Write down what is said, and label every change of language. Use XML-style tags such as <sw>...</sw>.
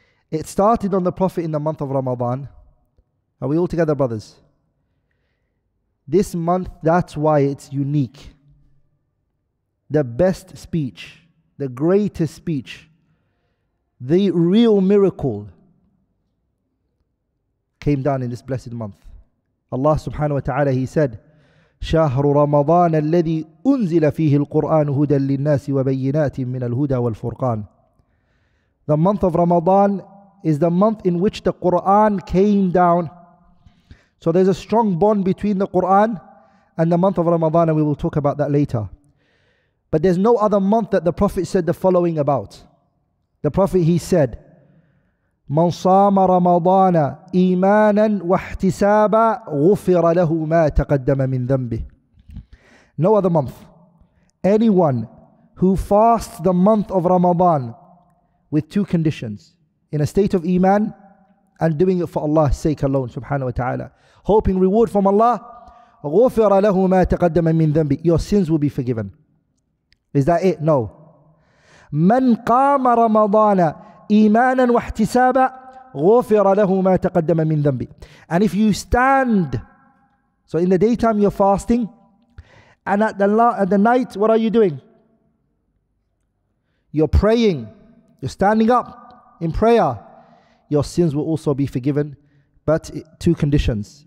<en>It started on the Prophet in the month of Ramadan. Are we all together, brothers? This month, that's why it's unique. The best speech, the greatest speech, the real miracle came down in this blessed month.</en> <ar>Allah subhanahu wa ta'ala,</ar> <en>he said,</en> <ar>شهر رمضان الذي أنزل فيه القرآن هدى للناس وبينات من الهدى والفرقان.</ar> <en>The month of Ramadan is the month in which the Quran came down. So there's a strong bond between the Quran and the month of Ramadan, and we will talk about that later. But there's no other month that the Prophet said the following about. The Prophet, he said,</en> <ar>مَنْ صَامَ رَمَضَانَ إِيمَانًا وَاحْتِسَابًا غُفِرَ لَهُ مَا تَقَدَّمَ مِنْ ذَنْبِهِ.</ar> <en>No other month. Anyone who fasts the month of Ramadan with two conditions, in a state of iman and doing it for Allah's sake alone, subhanahu wa ta'ala, hoping reward from Allah,</en> <ar>غُفِرَ لَهُ مَا تَقَدَّمَ مِنْ ذَنْبِهِ.</ar> <en>Your sins will be forgiven. Is that it? No.</en> <ar>من قام رمضان إيمانا واحتسابا غفر له ما تقدم من ذنبه.</ar> <en>And if you stand, so in the daytime you're fasting, and at the night, what are you doing? You're praying. You're standing up in prayer. Your sins will also be forgiven. But two conditions.</en>